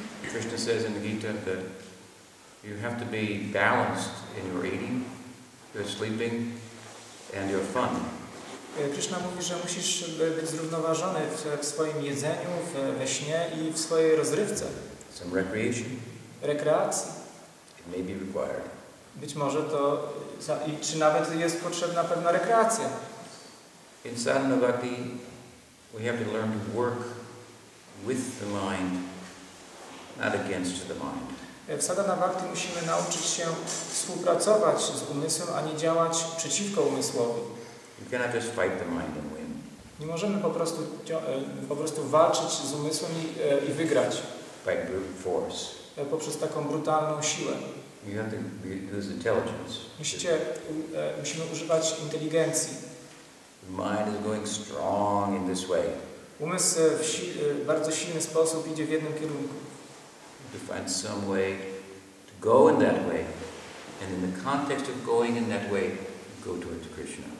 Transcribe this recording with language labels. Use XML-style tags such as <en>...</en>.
<en>Krishna says in the Gita that you have to be balanced in your eating, your sleeping, and your fun.</en> <pl>Krishna mówi, że musisz być zrównoważony w swoim jedzeniu, we śnie i w swojej rozrywce.</pl> <en>Some recreation.</en> <pl>Rekreacji.</pl> <en>It may be required.</en> <pl>Być może to, czy nawet jest potrzebna pewna rekreacja.</pl> <en>In sadhana bhakti, we have to learn to work with the mind, not against the mind.</en> <pl>W sadhana bhakti musimy nauczyć się współpracować z umysłem, a nie działać przeciwko umysłowi.</pl> <en>You cannot just fight the mind and win.</en> <pl>Nie możemy po prostu walczyć z umysłem i wygrać.</pl> <en>By brute force.</en> <pl>Poprzez taką brutalną siłę.</pl> <en>You have to use intelligence.</en> <pl>Musimy używać inteligencji.</pl> <en>The mind is going strong in this way.</en> <pl>Umysł w bardzo silny sposób idzie w jednym kierunku.</pl> <en>To find some way to go in that way, and in the context of going in that way, go towards Krishna.</en>